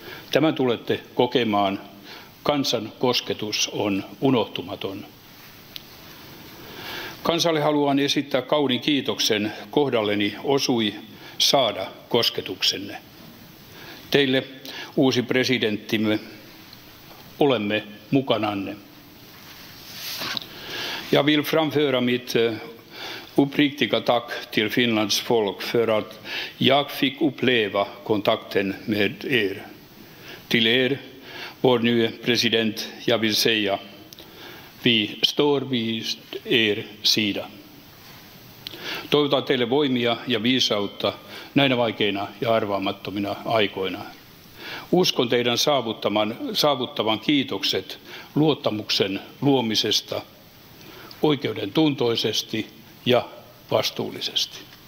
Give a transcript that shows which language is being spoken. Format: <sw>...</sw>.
<fi>Tämän tulette kokemaan, kansan kosketus on unohtumaton. Kansalle haluan esittää kauniin kiitoksen, kohdalleni osui saada kosketuksenne. Teille, uusi presidenttimme, olemme mukananne.</fi> <sv>Jag vill framföra mitt uppriktiga tack till Finlands folk för att jag fick uppleva kontakten med er. Till er, vår nye president, jag vill säga, vi står vid er sida.</sv> <fi>Toivotan teille voimia ja viisautta näinä vaikeina ja arvaamattomina aikoina. Uskon teidän saavuttavan kiitokset luottamuksen luomisesta oikeuden tuntoisesti ja vastuullisesti.</fi>